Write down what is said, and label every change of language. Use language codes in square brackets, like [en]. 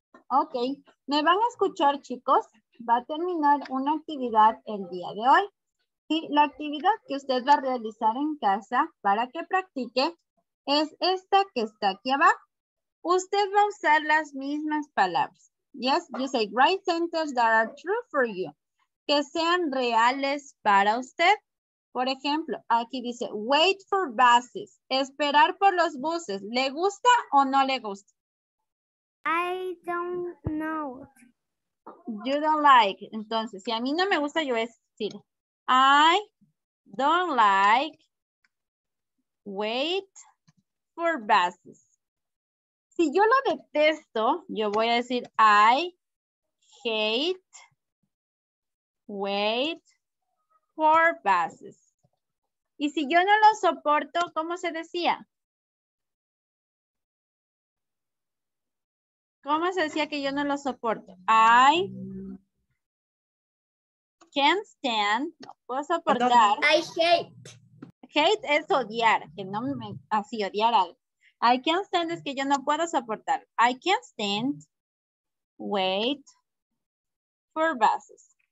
[es] Ok, me van a escuchar, chicos. Va a terminar una actividad el día de hoy. Sí, la actividad que usted va a realizar en casa para que practique es esta que está aquí abajo. Usted va a usar las mismas palabras. [en] Yes, you say, write sentences that are true for you. [es] Que sean reales para usted. Por ejemplo, aquí dice, [en] wait for buses. [es] Esperar por los buses. ¿Le gusta o no le gusta? [en] I don't know. You don't like. [es] Entonces, si a mí no me gusta, yo es decir, [en] I don't like wait for buses. [es] Si yo lo detesto, yo voy a decir [en] I hate wait for buses. [es] Y si yo no lo soporto, ¿cómo se decía? ¿Cómo se decía que yo no lo soporto? [en] Can't stand, [es] no puedo soportar. [en] I hate. [es] Hate es odiar, que no me así odiar algo. [en] I can't stand [es] es que yo no puedo soportar. [en] I can't stand wait for buses.